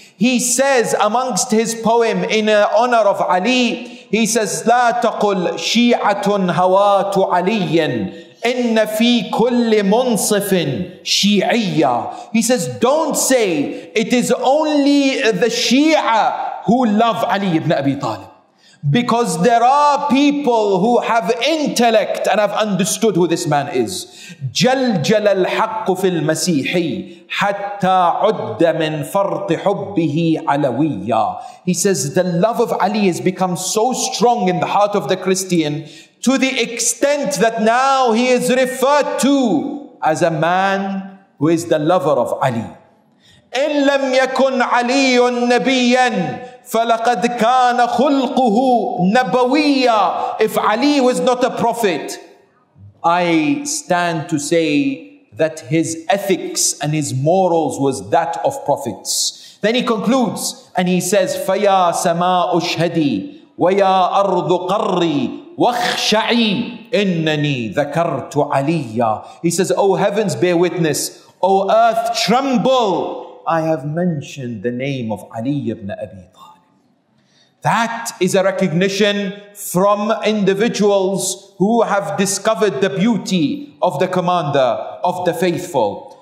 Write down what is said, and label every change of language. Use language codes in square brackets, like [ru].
[en] He says amongst his poem in honor of Ali, he says, [ar] لا تقل شيعة هوات علي إن في كل منصف شيعية. [en] He says, don't say it is only the Shia who love Ali ibn Abi Talib, because there are people who have intellect and have understood who this man is. [ar] جلجل الحق في المسيح حتى عد من فرط حبه علويا. [en] He says the love of Ali has become so strong in the heart of the Christian to the extent that now he is referred to as a man who is the lover of Ali. [ar] إن لم يكن علي نبيا فَلَقَدْ كَانَ خُلْقُهُ نَبَوِيًّا. [en] If Ali was not a prophet, I stand to say that his ethics and his morals was that of prophets. Then he concludes and he says, [ar] فَيَا سَمَاءُ شْهَدِي وَيَا أَرْضُ قَرِّي وَخْشَعِي إِنَّنِي ذَكَرْتُ عَلِيًّا. [en] He says, O heavens, bear witness. O earth, tremble. I have mentioned the name of Ali ibn Abi Talib. That is a recognition from individuals who have discovered the beauty of the commander of the faithful.